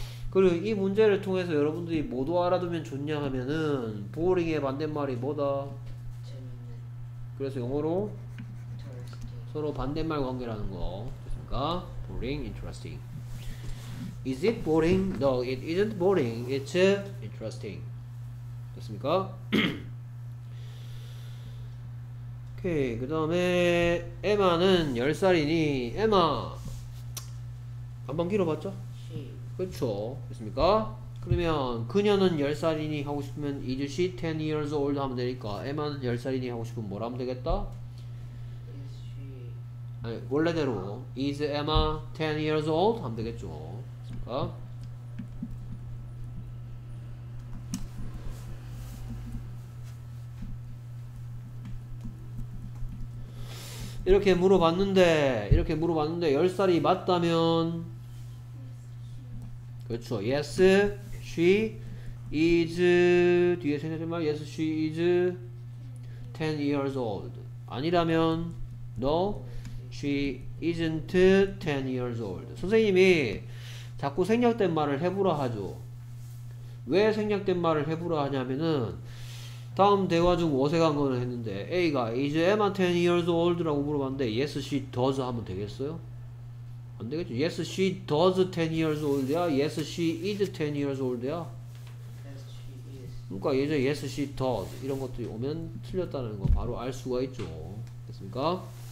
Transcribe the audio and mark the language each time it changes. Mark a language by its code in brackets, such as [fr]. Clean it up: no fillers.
[ko] 그리고 이 문제를 통해서 여러분들이 모두 알아두면 좋냐 하면은 boring의 반대말이 뭐다? 그래서 영어로 서로 반대말 관계라는 거 됐습니까? [en] boring, interesting Is it boring? No, it isn't boring It's interesting [ko] 됐습니까? [en] OK [ko] 오케이. 그 다음에 에마는 10살이니 에마 한번 길어봤죠? 그렇죠. 됐습니까? 그러면 그녀는 10살이니 하고 싶으면 [en] Is she 10 years old [ko] 하면 되니까 에마는 10살이니 하고 싶으면 뭐라 하면 되겠다? [en] Is she [ko] 아니 원래대로 [en] Is Emma 10 years old [ko] 하면 되겠죠. 됐습니까? 이렇게 물어봤는데 10살이 맞다면 그렇죠. [en] Yes, she is [ko] 뒤에 생략하지만 [en] Yes, she is 10 years old. 아니라면 No, she isn't 10 years old. [ko] 선생님이 자꾸 생략된 말을 해보라 하죠. 왜 생략된 말을 해보라 하냐면은 다음 대화 중 어색한거는 했는데 A가 [en] Is Emma 10 years old? [ko] 라고 물어봤는데 [en] Yes, she does [ko] 하면 되겠어요? 안되겠죠? [en] Yes, she does 10 years old 야 Yes, she is 10 years old 야 [ko] 그러니까 예전에 Yes, she does 이런 것들이 오면 틀렸다는 거 바로 알 수가 있죠. 됐습니까?